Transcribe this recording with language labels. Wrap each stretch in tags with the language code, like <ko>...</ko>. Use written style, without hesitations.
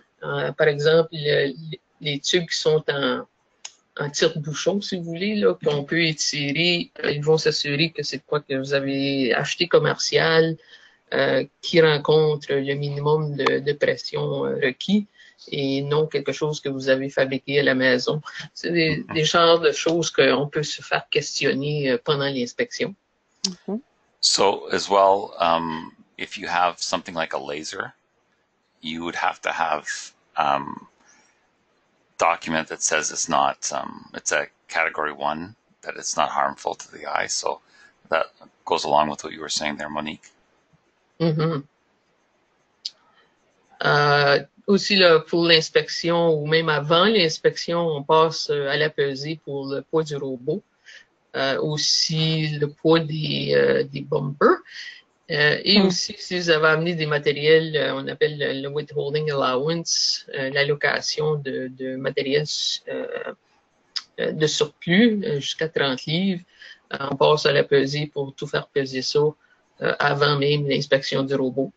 <fr>Par exemple, les tubes qui sont en tire-bouchon, si vous voulez, là, qu'on peut étirer, ils vont s'assurer que c'est quoi que vous avez acheté commercial, qui rencontre le minimum de pression requis. et non quelque chose que vous avez fabriqué à la maison. C'est des genres de choses qu'on peut se faire questionner pendant l'inspection.</fr> <en>So as well, if you have something like a laser, you would have to have document that says it's not, it's a category one, that it's not harmful to the eye. So that goes along with what you were saying there, Monique. Mm-hmm.</en> <fr>Aussi, là, pour l'inspection ou même avant l'inspection, on passe à la pesée pour le poids du robot, aussi le poids des bumpers. Et aussi, si vous avez amené des matériels, on appelle le withholding allowance, l'allocation de matériel de surplus jusqu'à 30 livres, on passe à la pesée pour tout faire peser ça avant même l'inspection du robot.</fr>